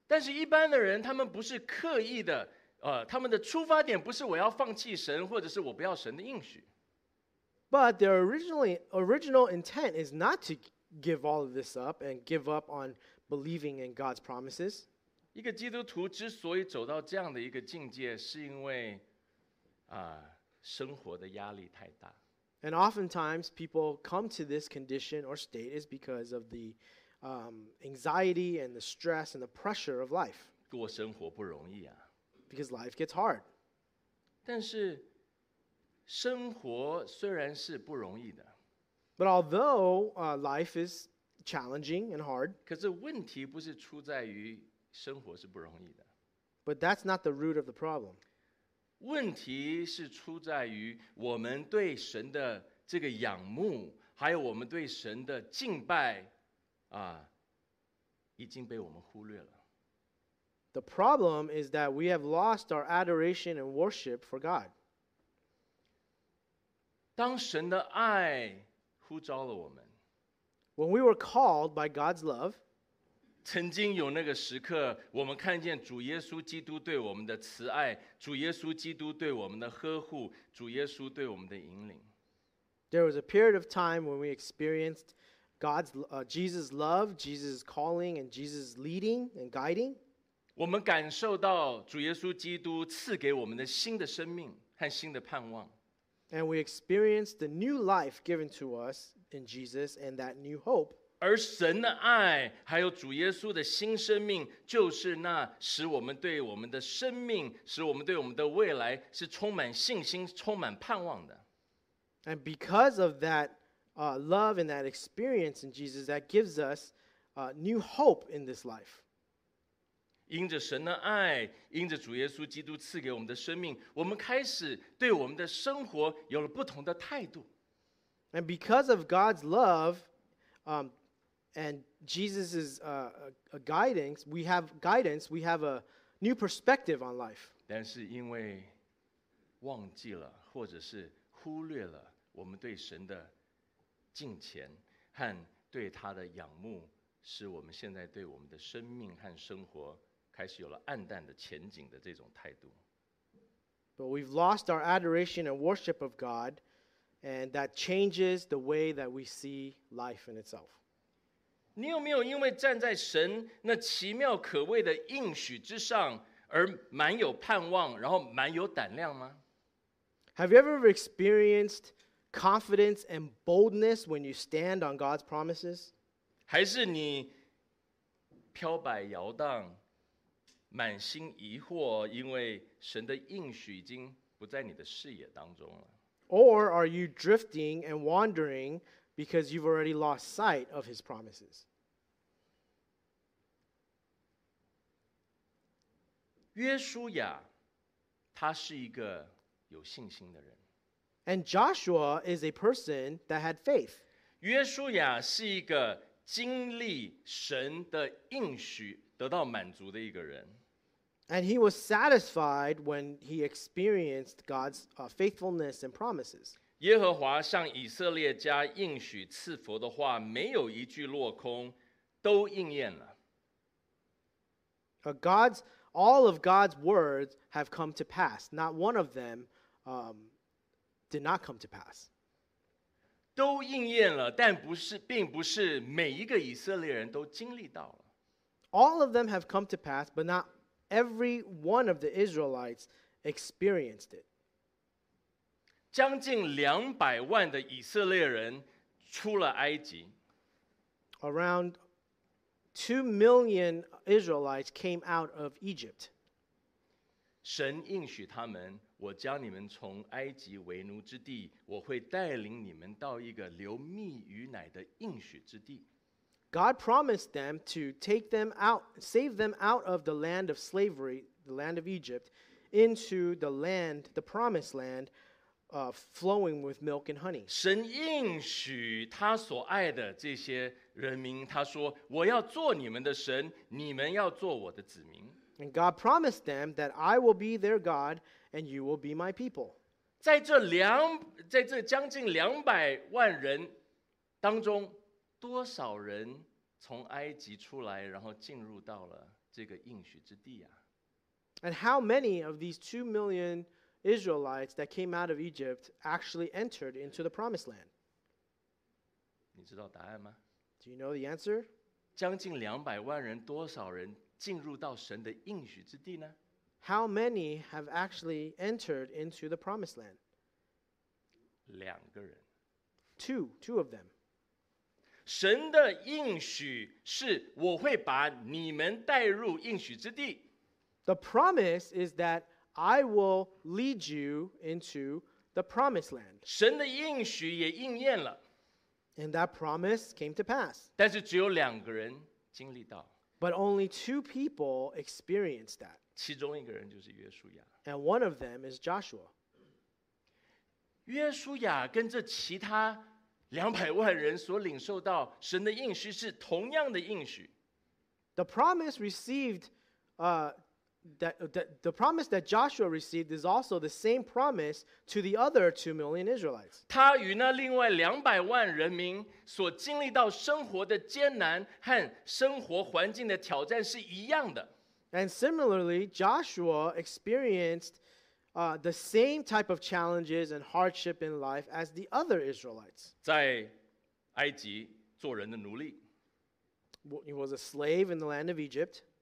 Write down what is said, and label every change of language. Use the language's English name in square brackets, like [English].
[Chinese] 但是一般的人，他们不是刻意的，他们的出发点不是我要放弃神，或者是我不要神的应许。 [English] But their original intent is not to give all of this up and give up on believing in God's promises. [Chinese] 一个基督徒之所以走到这样的一个境界，是因为生活的压力太大。 [English] And oftentimes people come to this condition or state is because of the anxiety and the stress and the pressure of life. [Chinese] 过生活不容易啊。 [English] Because life gets hard. [Chinese] 但是生活虽然是不容易的， [English] But although life is challenging and hard, [Chinese] 可是问题不是出在于生活是不容易的， [English] But that's not the root of the problem. [Chinese] 问题是出在于我们对神的这个仰慕，还有我们对神的敬拜已经被我们忽略了。 [English] The problem is that we have lost our adoration and worship for God. [Chinese] 当神的爱呼召了我们， [English] When we were called by God's love, [Chinese] 曾经有那个时刻，我们看见主耶稣基督对我们的慈爱，主耶稣基督对我们的呵护，主耶稣对我们的引领。 [English] There was a period of time when we experienced Jesus' love, Jesus' calling, and Jesus' leading and guiding. [Chinese] 我们感受到主耶稣基督赐给我们的新的生命和新的盼望。 [English] And we experience the new life given to us in Jesus and that new hope. [Chinese] 而神的爱还有主耶稣的新生命就是那使我们对我们的生命，使我们对我们的未来是充满信心，充满盼望的。 [English] And because of that love and that experience in Jesus, that gives us new hope in this life. [Chinese] 因着神的爱，因着主耶稣基督赐给我们的生命，我们开始对我们的生活有了不同的态度。 [English] And because of God's love, and Jesus' guidance, we have a new perspective on life. [Chinese] 但是因为忘记了，或者是忽略了我们对神的敬虔和对他的仰慕，使我们现在对我们的生命和生活开始有了暗淡的前景的这种态度。 [English] But we've lost our adoration and worship of God, and that changes the way that we see life in itself. [Chinese] 你有没有因为站在神那奇妙可畏的应许之上而蛮有盼望，然后蛮有胆量吗？ [English] Have you ever experienced confidence and boldness when you stand on God's promises? [Chinese] 还是你飘摆摇荡，满心疑惑，因为神的应许已经不在你的视野当中了？ [English] Or are you drifting and wandering because you've already lost sight of his promises? [Chinese] 约书亚他是一个有信心的人。 [English] And Joshua is a person that had faith. [Chinese] 约书亚是一个经历神的应许得到满足的一个人。 [English] And he was satisfied when he experienced God's faithfulness and promises. [Chinese] 耶和华向以色列家应许赐福的话，没有一句落空，都应验了。 [English] All of God's words have come to pass. Not one of them did not come to pass. [Chinese] 都应验了，但不是，并不是每一个以色列人都经历到了。 [English] All of them have come to pass, but not every one of the Israelites experienced it. [Chinese] 将近200万的以色列人出了埃及。 [English] Around 2 million Israelites came out of Egypt. [Chinese] 神应许他们，我将你们从埃及为奴之地，我会带领你们到一个流蜜与奶的应许之地。 [English] God promised them to take them out, save them out of the land of slavery, the land of Egypt, into the land, the promised land, flowing with milk and honey. [Chinese] 神应许他所爱的这些人民，他说，我要做你们的神，你们要做我的子民。 [English] And God promised them that I will be their God and you will be my people. [Chinese] 在这将近200万人当中，多少人从埃及出来，然后进入到了这个应许之地啊？ [English] And how many of these 2 million Israelites that came out of Egypt actually entered into the promised land? [Chinese] 你知道答案吗？ [English] Do you know the answer? [Chinese] 将近200万人，多少人进入到神的应许之地呢？ [English] How many have actually entered into the promised land? [Chinese] 两个人。 [English] Two of them. [Chinese] 神的应许是我会把你们带入应许之地。 [English] The promise is that I will lead you into the promised land. [Chinese] 神的应许也应验了。 [English] And that promise came to pass. [Chinese] 但是只有两个人经历到。 [English] But only two people experienced that. [Chinese] 其中一个人就是约书亚。 [English] And one of them is Joshua. [Chinese] 约书亚跟这其他两百万人所领受到神的应许是同样的应许。 [English] The promise received, the promise that Joshua received is also the same promise to the other 2 million Israelites. [Chinese] 他与那另外两百万人民所经历到生活的艰难和生活环境的挑战是一样的。 [English] And similarly, Joshua experienced, the same type of challenges and hardship in life as the other Israelites. [Chinese] 在埃及做人的奴隶。 [English] He was a slave in the land of Egypt.